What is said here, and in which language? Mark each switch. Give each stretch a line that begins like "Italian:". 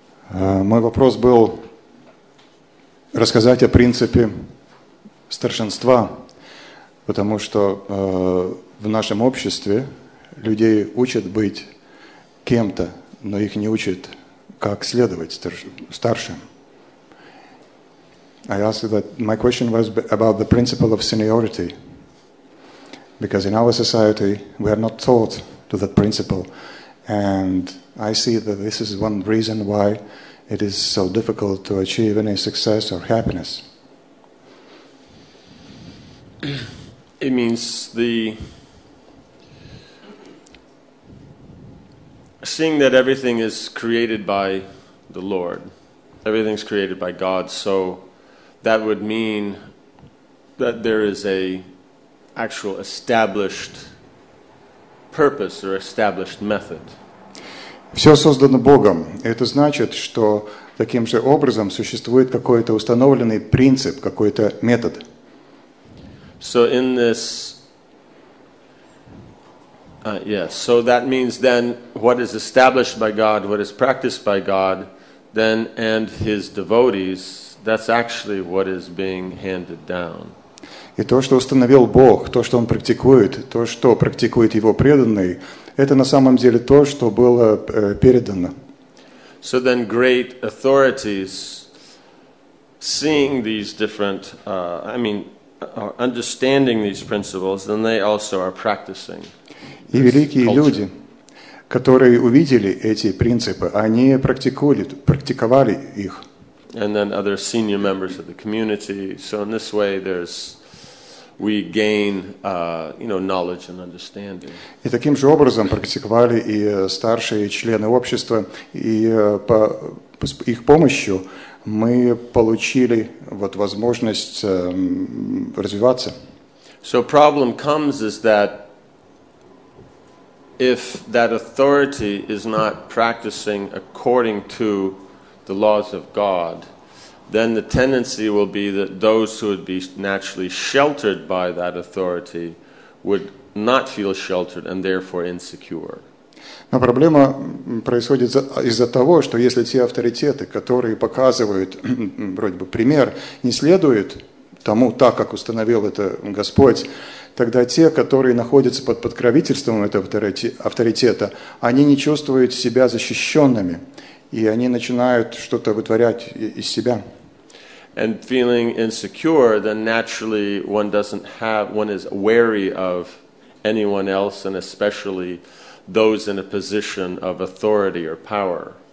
Russian: Мой вопрос был рассказать о принципе старшинства, потому что в нашем обществе людей учат быть кем-то, но их не учат, как следовать старшим.
English: I asked that my question was about the principle of seniority, because in our society we are not taught to that principle, and I see that this is one reason why it is so difficult to achieve any success or happiness. It means the seeing that everything is created by the Lord, everything's created by God, so that would mean that there is a actual established purpose or established method.
Russian: Все создано Богом. Это значит, что таким же образом существует какой-то установленный принцип, какой-то метод.
English: So in this, yes, so that means then what is established by God, what is practiced by God, then and his devotees, that's actually what is being handed down.
Russian: И то, что установил Бог, то, что он практикует, то, что практикует его преданный, это на самом деле то, что было передано.
English: So then great authorities, seeing these different, are understanding these principles, then they also are practicing.
Russian: И великие люди, которые увидели эти принципы, они практиковали их.
English: And then other senior members of the community. So in this way, we gain, knowledge and understanding.
Russian: И таким же образом практиковали и старшие члены общества, и по их помощью мы получили вот возможность развиваться.
English: So problem comes is that if that authority is not practicing according to the laws of God, then the tendency will be that those who would be naturally sheltered by that authority would not feel sheltered and therefore insecure.
Russian: Но проблема происходит из-за того, что если те авторитеты, которые показывают вроде бы пример, не следуют тому, так как установил это Господь, тогда те, которые находятся под подкровительством этого авторитета, они не чувствуют себя защищенными, и они начинают что-то вытворять из себя.
English: And feeling insecure, then naturally one is wary of anyone else, and especially those in a position of authority or power.